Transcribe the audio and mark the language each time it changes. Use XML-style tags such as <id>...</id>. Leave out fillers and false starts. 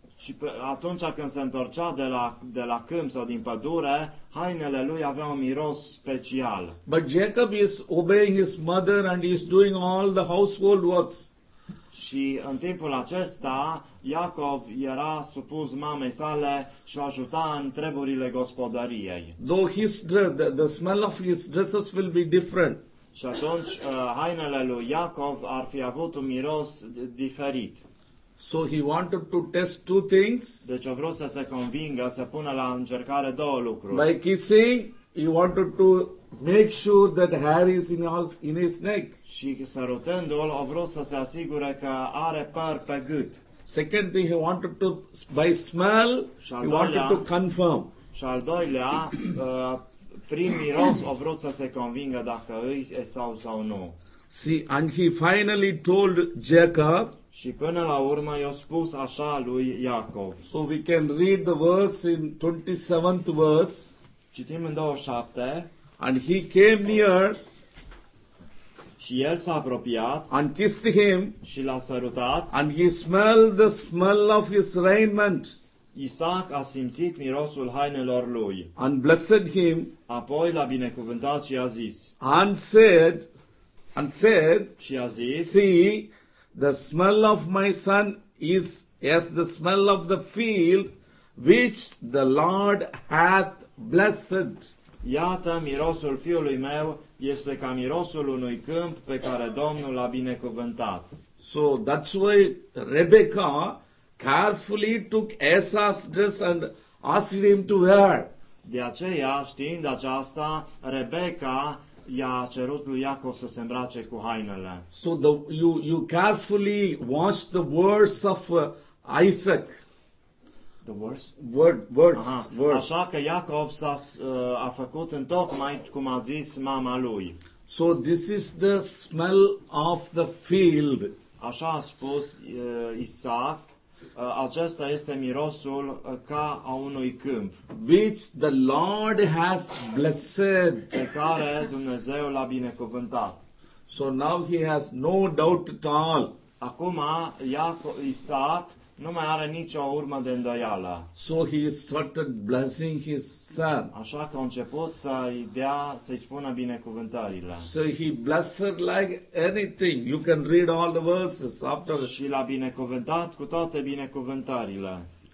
<ro>Și atunci când se întorcea de la câmp sau din pădure, hainele lui aveau un miros special.</ro> <en>But Jacob is obeying his mother and he is doing all the household works.</en> <ro>Și în timpul acesta, Iacov era supus mamei sale și ajuta în treburile gospodăriei.</ro> <en>Though his dress, the smell of his dresses will be different.</en> <ro>Și atunci hainele lui Iacov ar fi avut un miros diferit.</ro> <en>So he wanted to test two things.</en> <ro>Deci a vrut să se convingă, să pună la încercare două lucruri.</ro> <en>By kissing, he wanted to make sure that hair is in his neck.</en> <ro>Și sărutându-l, a vrut să se asigure că are păr pe gât.</ro> <en>Second thing, he wanted to, by smell,</en> <ro>doilea,</ro> <en>he wanted to confirm.</en> <ro>Și al doilea, prin miros, a vrut să se convingă dacă îi e sau nu.</ro> <en>See, and he finally told Jacob.</en> <ro>Și până la urmă i-a spus așa lui Iacov.</ro> <en>So we can read the verse in 27th verse.</en> <ro>Citim în 27.</ro> <en>And he came near.</en> <ro>Și el s-a apropiat</ro> <en>and kissed him</en> <ro>și l-a sărutat</ro> <en>and he smelled the smell of his raiment.</en> <ro>Isaac a simțit mirosul hainelor lui</ro> <en>and blessed him.</en> <ro>Apoi l-a binecuvântat și a zis</ro> <en>and said</en> <ro>și a zis,</ro> <en>see, the smell of my son is as the smell of the field which the Lord hath blessed.</en> <ro>Iată, mirosul fiului meu este ca mirosul unui câmp pe care Domnul l-a binecuvântat.</ro> <en>So that's why Rebecca carefully took Esau's dress and asked him to wear.</en> <ro>De aceea, știind aceasta, Rebecca i-a cerut lui Iacov să se îmbrace cu hainele.</ro> <en>So you carefully watch the words of Isaac. The words? Words.</en> <ro>Așa că Iacov a făcut întocmai cum a zis mama lui.</ro> <en>So this is the smell of the field.</en> <ro>Așa a spus Isaac, acesta este mirosul ca a unui câmp.</ro> <en>Which the Lord has blessed.</en> <ro>Pe care Dumnezeu l-a binecuvântat.</ro> <en>So now he has no doubt at all.</en> <ro>Acum Isaac nu mai are nicio urmă de îndoială.</ro> <en>So he started blessing his son.</en> <ro>Așa că a început să-i dea, să-i spună binecuvântările.</ro> <en>So he blessed like anything. You can read all the verses after.</en> <ro>Și l-a binecuvântat cu toate binecuvântările.</ro>